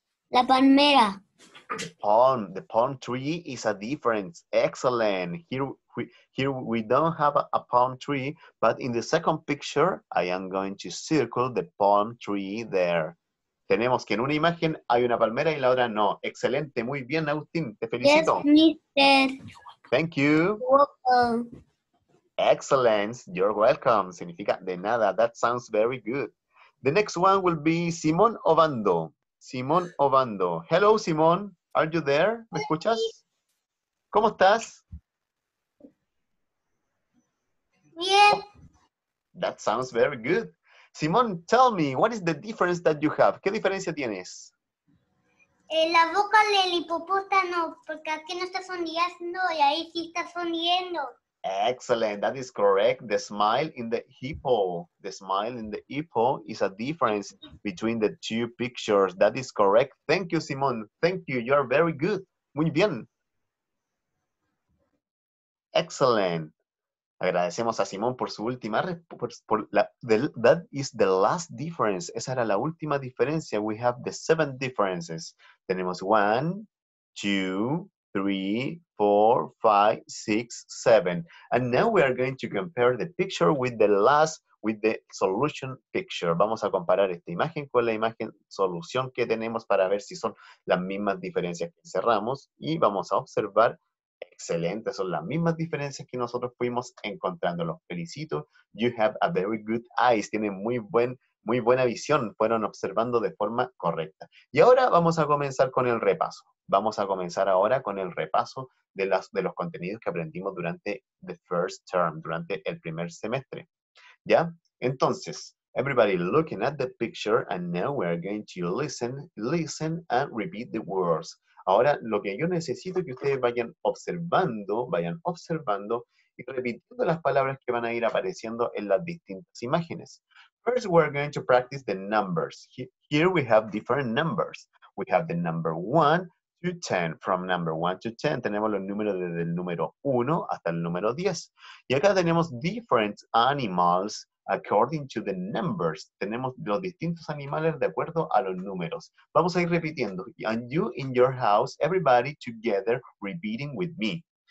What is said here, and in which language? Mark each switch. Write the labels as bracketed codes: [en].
[es] La palmera. [en] The palm tree is a difference. Excellent. Here we don't have a palm tree, but in the second picture, I am going to circle the palm tree there. [es] Tenemos que en una imagen hay una palmera y en la otra no. Excelente, muy bien, Agustín. Te felicito. [en] Yes, mister. Thank you. You're welcome. Excellence. You're welcome. [es] Significa de nada. [en] That sounds very good. The next one will be Simón Obando. Simón Obando. Hello, Simón. Are you there? [es] ¿Me escuchas? ¿Cómo estás? Bien. [en] That sounds very good. Simón, tell me, what is the difference that you have? [es] ¿Qué diferencia tienes? La boca del hipopótamo, porque aquí no está sonriendo y ahí sí está sonriendo. [en] Excellent, that is correct. The smile in the hippo. The smile in the hippo is a difference between the two pictures. That is correct. Thank you, Simón. Thank you, you are very good. [es] Muy bien. [en] Excellent. [es] Agradecemos a Simón por su última [en] that is the last difference. [es] Esa era la última diferencia. [en] We have the 7 differences. [es] Tenemos 1, 2, 3, 4, 5, 6, 7. [en] And now we are going to compare the picture with the solution picture. [es] Vamos a comparar esta imagen con la imagen solución que tenemos para ver si son las mismas diferencias que cerramos. Y vamos a observar. Excelente, son las mismas diferencias que nosotros fuimos encontrando. Los felicito. [en] You have a very good eyes. [es] Tienen muy buena visión. Fueron observando de forma correcta. Y ahora vamos a comenzar con el repaso. Vamos a comenzar ahora con el repaso de los contenidos que aprendimos durante [en] the first term, [es] durante el primer semestre. ¿Ya? [en] Entonces, everybody looking at the picture and now we're going to listen and repeat the words. [es] Ahora, lo que yo necesito es que ustedes vayan observando y repitiendo las palabras que van a ir apareciendo en las distintas imágenes. [en] First, we're going to practice the numbers. Here we have different numbers. We have the number 1, to 10, from number 1 to 10. [es] Tenemos los números desde el número 1 hasta el número 10. Y acá tenemos [en] different animals according to the numbers. [es] Tenemos los distintos animales de acuerdo a los números. Vamos a ir repitiendo. [en] And you in your house, everybody together, repeating with me.